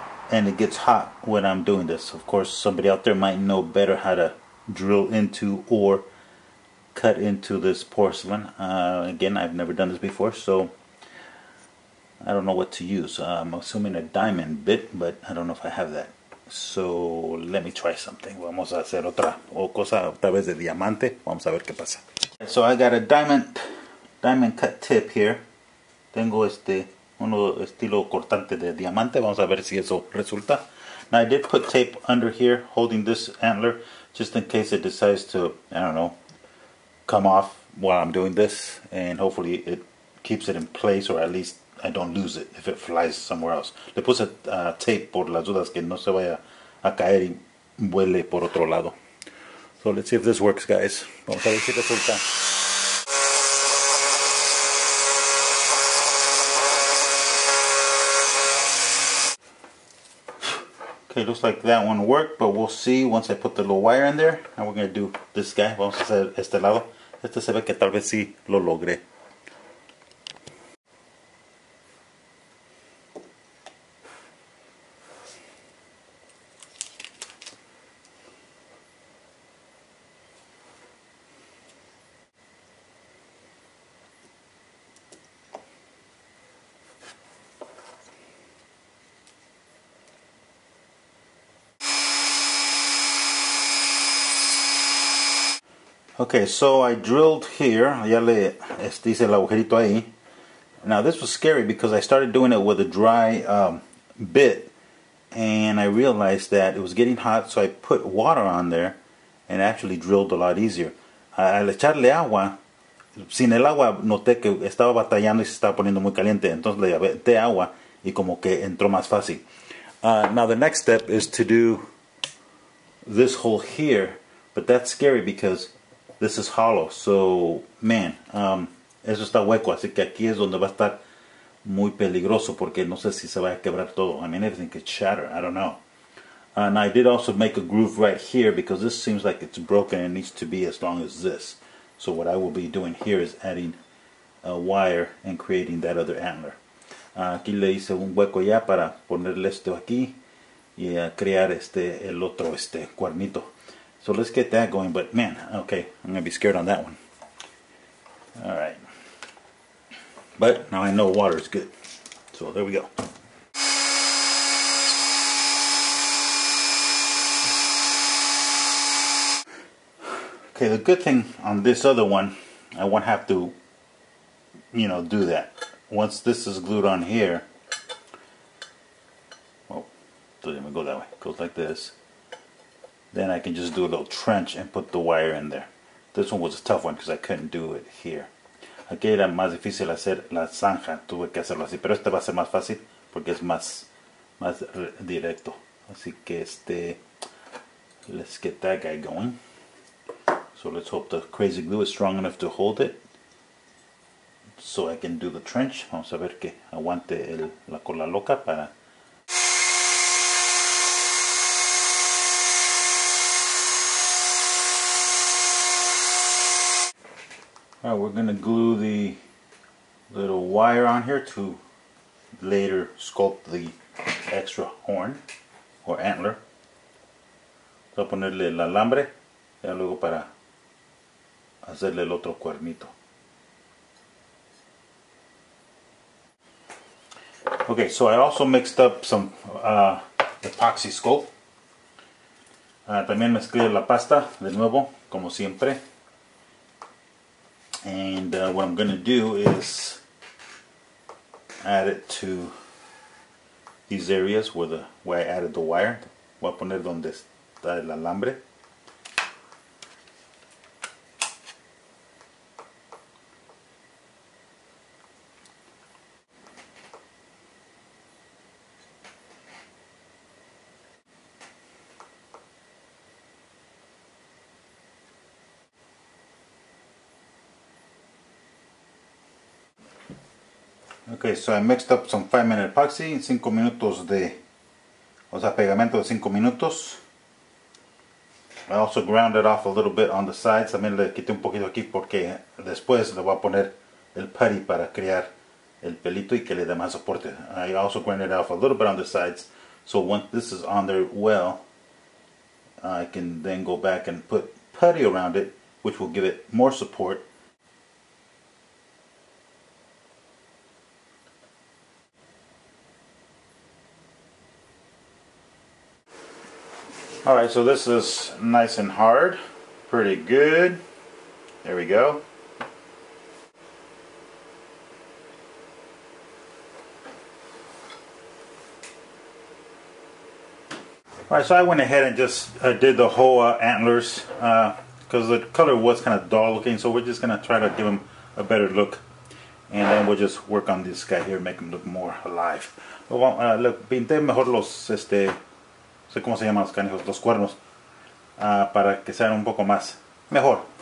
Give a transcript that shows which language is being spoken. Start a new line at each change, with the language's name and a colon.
English: And it gets hot when I'm doing this. Of course, somebody out there might know better how to drill into or cut into this porcelain. Again, I've never done this before, so I don't know what to use. I'm assuming a diamond bit, but I don't know if I have that. So let me try something.
Spanish: Vamos a hacer otra cosa, otra vez de diamante. Vamos a ver qué pasa.
English: So I got a diamond cut tip here.
Spanish: Tengo uno estilo cortante de diamante. Vamos a ver si eso resulta.
English: Now I did put tape under here holding this antler just in case it decides to, I don't know, come off while I'm doing this, and hopefully it keeps it in place, or at least I don't lose it if it flies somewhere else.
Spanish: Le puse tape por las dudas que no se vaya a caer y vuele por otro lado.
English: So let's see if this works, guys.
Spanish: Vamos a ver si resulta.
English: Okay, looks like that one worked, but we'll see once I put the little wire in there. And we're going to do this guy.
Spanish: Vamos a hacer este lado. Este se ve que tal vez sí lo logré.
English: Okay, so I drilled here.
Spanish: Ya le hice el agujerito ahí.
English: Now, this was scary because I started doing it with a dry bit. And I realized that it was getting hot, so I put water on there. And actually drilled a lot easier.
Spanish: Al echarle agua, sin el agua, noté que estaba batallando y se estaba poniendo muy caliente. Entonces le aventé agua y como que entró más fácil.
English: Now, the next step is to do this hole here, but that's scary because this is hollow. So, man,
Spanish: eso está hueco, así que aquí es donde va a estar muy peligroso porque no sé si se va a quebrar todo.
English: I mean, everything could shatter. I don't know. And I did also make a groove right here because this seems like it's broken and needs to be as long as this. So what I will be doing here is adding a wire and creating that other antler. Aquí le hice un hueco ya para ponerle esto aquí y crear el otro cuernito. So let's get that going, but man, okay, I'm going to be scared on that one. All right. But now I know water is good. So there we go. Okay, the good thing on this other one, I won't have to, you know, do that. Once this is glued on here, well, doesn't even go that way, it goes like this. Then I can just do a little trench and put the wire in there. This one was a tough one because I couldn't do it here.
Spanish: Aquí era más difícil hacer la zanja, tuve que hacerlo así, pero este va a ser más fácil porque es más directo. Así que
English: let's get that guy going. So let's hope the crazy glue is strong enough to hold it so I can do the trench.
Spanish: Vamos a ver que aguante la cola loca para...
English: Alright, we're going to glue the little wire on here to later sculpt the extra horn or antler.
Spanish: Voy a ponerle el alambre y luego para hacerle el otro cuernito.
English: Okay, so I also mixed up some epoxy sculpt.
Spanish: También mezclé la pasta de nuevo, como siempre.
English: And what I'm going to do is add it to these areas where I added the wire.
Spanish: Voy a poner donde está el alambre.
English: Okay, so I mixed up some 5-minute epoxy,
Spanish: 5 minutos de, o sea, pegamento de 5 minutos.
English: I also ground it off a little bit on the sides.
Spanish: También le quité un poquito aquí porque después le voy a poner el putty para crear el pelito y que le dé más soporte.
English: I also ground it off a little bit on the sides. So once this is on there well, I can then go back and put putty around it, which will give it more support. Alright, so this is nice and hard. Pretty good. There we go. Alright, so I went ahead and just did the whole antlers because the color was kind of dull looking, so we're just going to try to give them a better look. And then we'll just work on this guy here, make him look more alive.
Spanish: Look, pinté mejor los No sé cómo se llaman los canijos, los cuernos, para que sean un poco más mejor.